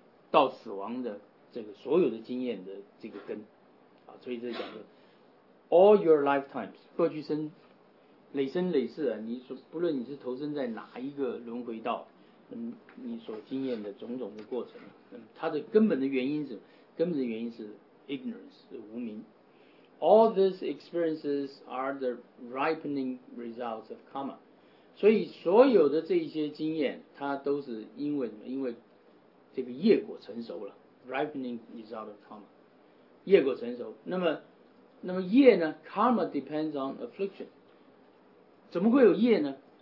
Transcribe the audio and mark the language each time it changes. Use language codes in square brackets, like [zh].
[zh] 到死亡的这个所有的经验的这个根啊，所以这讲的 [en] all your lifetimes [zh] 过去生累生累世啊，你说不论你是投身在哪一个轮回道，你所经验的种种的过程，它的根本的原因是ignorance， 是无明。 [en] All these experiences are the ripening results of karma。 [zh] 所以所有的这些经验它都是因为什么？因为这个业果成熟了， [en] ripening is out of karma， [zh] 业果成熟。那么业呢， [en] karma depends on affliction， [zh] 怎么会有业呢？